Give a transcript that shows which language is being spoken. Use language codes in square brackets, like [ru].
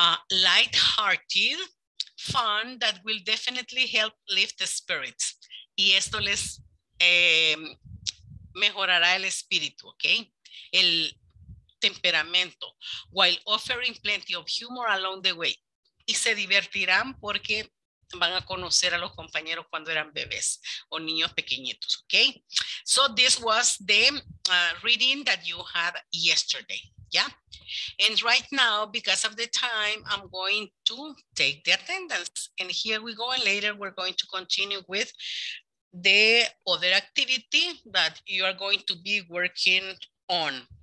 [en] Light-hearted fun that will definitely help lift the spirits. [es] Y esto les mejorará el espíritu, okay? El temperamento, [en] while offering plenty of humor along the way. [es] Y se divertirán porque van a conocer a los compañeros cuando eran bebés o niños pequeñitos, okay? [en] So this was the reading that you had yesterday, yeah? And right now, because of the time, I'm going to take the attendance. And here we go, and later we're going to continue with the other activity that you are going to be working on.